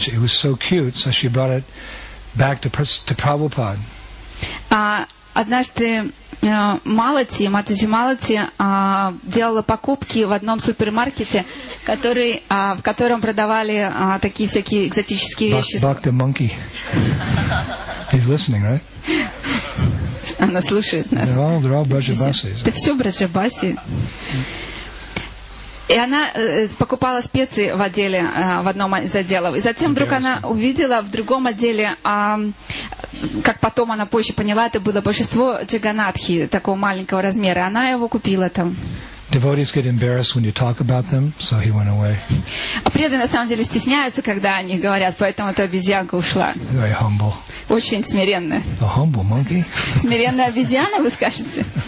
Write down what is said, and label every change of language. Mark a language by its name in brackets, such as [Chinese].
[English] It was so cute, so she brought it back to Prabhupada. [Russian] Однажды Малати, Матаджи Малати, делала покупки в одном супермаркете, в котором продавали такие всякие экзотические вещи. [English] Bhakta Monkey. He's listening, right? [Russian] Она слушает нас. [English] They're all Brajabasi. [Russian] Это все Брajabasi. И она покупала специи в отделе, в одном из отделов. И затем вдруг она увидела в другом отделе, как потом она позже поняла, это было божество Джаганатхи, такого маленького размера. Она его купила там. [English] Devotees get embarrassed when you talk about them, so he went away. [Russian] А преданные на самом деле стесняются, когда о них говорят, поэтому эта обезьянка ушла. [English] Very humble. [Russian] Очень смиренная. [English] A humble monkey. [Russian] Смиренная обезьяна, вы скажете?